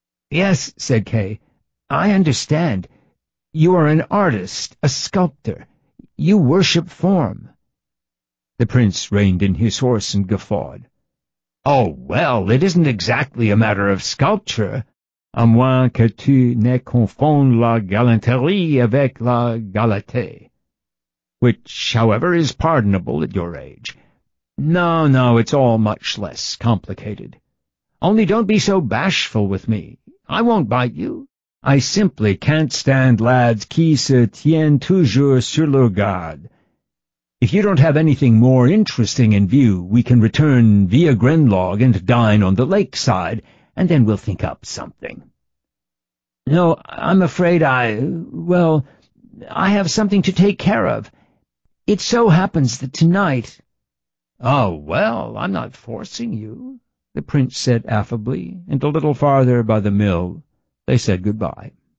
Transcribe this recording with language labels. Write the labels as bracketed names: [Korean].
[English] Yes, said Kay, I understand. You are an artist, a sculptor. You worship form. The prince reined in his horse and guffawed. Oh, well, it isn't exactly a matter of sculpture. [French] À moins que tu ne confondes la galanterie avec la galatée. [English] Which, however, is pardonable at your age. No, no, it's all much less complicated. Only don't be so bashful with me. I won't bite you. I simply can't stand lads [French] qui se tiennent toujours sur leur garde. [English] If you don't have anything more interesting in view, we can return via Grenlog and dine on the lakeside, and then we'll think up something. No, I'm afraid I have something to take care of. It so happens that tonight... Oh, well, I'm not forcing you, the prince said affably, and a little farther by the mill, they said goodbye.